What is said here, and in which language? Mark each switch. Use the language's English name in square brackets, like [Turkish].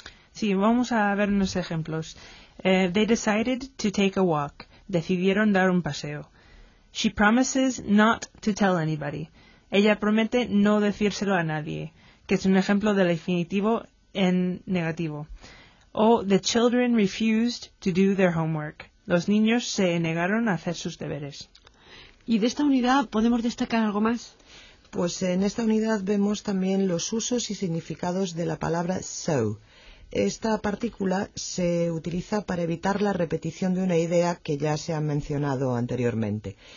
[Spanish] Sí, vamos a ver unos ejemplos. [English] They decided to take a walk. [Spanish] Decidieron dar un paseo. [English] She promises not to tell anybody. [Spanish] Ella promete no decírselo a nadie, que es un ejemplo del infinitivo en negativo. [English] O the children refused to do their homework. [Spanish] Los niños se negaron a hacer sus deberes. ¿Y de esta unidad podemos destacar algo más? Pues en esta unidad vemos también los usos y significados de la palabra so. Esta partícula se utiliza para evitar la repetición de una idea que ya se ha mencionado anteriormente.